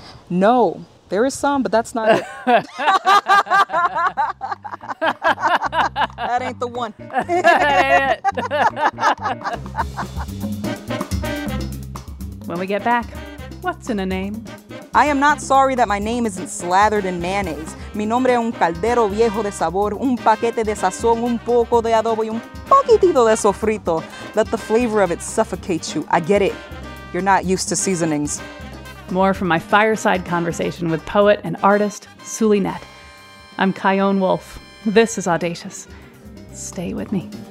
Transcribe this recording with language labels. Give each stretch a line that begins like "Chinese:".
English: No. There is some, but that's not it. That ain't the one. When we get back, what's in a name? I am not sorry that my name isn't slathered in mayonnaise.
Spanish: Mi nombre es un caldero viejo de sabor, un paquete de sazón, un poco de adobo y un poquitito de sofrito.
English: Let the flavor of it suffocate you. I get it. You're not used to seasonings. More from my fireside conversation with poet and artist, Sulinette. I'm Kyone Wolf. This is Audacious. Stay with me.